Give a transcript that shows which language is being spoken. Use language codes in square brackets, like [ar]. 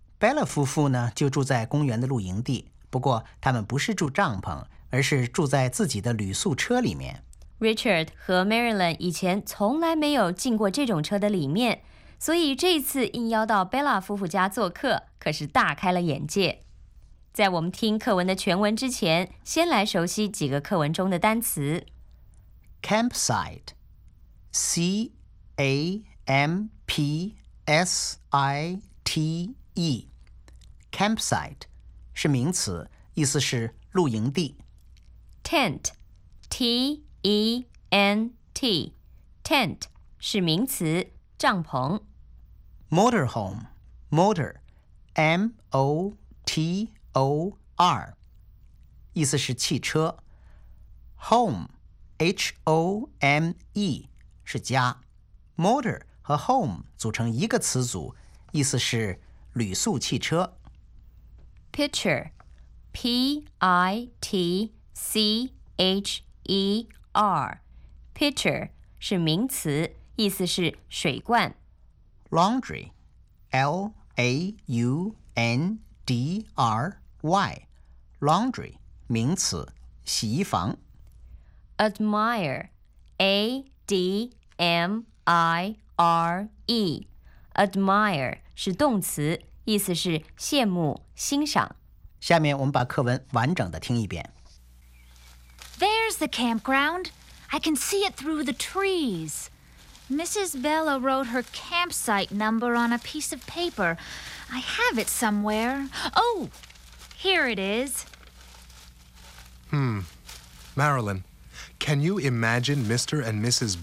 [zh] 贝拉夫妇呢，就住在公园的露营地，不过他们不是住帐篷，而是住在自己的旅宿车里面。 Richard 和 Marilyn 以前从来没有进过这种车的里面，所以这次应邀到贝拉夫妇家做客，可是大开了眼界。在我们听课文的全文之前，先来熟悉几个课文中的单词。 Campsite， C A M-P-S-I-T-E Campsite 是名词，意思是露营地。 Tent， T-E-N-T Tent 是名词，帐篷。 Motorhome， Motor M-O-T-O-R 意思是汽车。 Home， H-O-M-E 是家。 Motor和 home 组成一个词组，意思是旅宿汽车。 Pitcher， P-I-T-C-H-E-R， Pitcher 是名词，意思是水罐。 Laundry， L-A-U-N-D-R-Y， Laundry 名词，洗衣房。 Admire， A-D-M-I-R-E R-E Admire 是动词，意思是羡慕、欣赏。下面我们把课文完整的听一遍。 [en] There's the campground. I can see it through the trees. Mrs. Bella wrote her campsite number on a piece of paper. I have it somewhere. Oh, here it is. Marilyn, can you imagine Mr. and Mrs.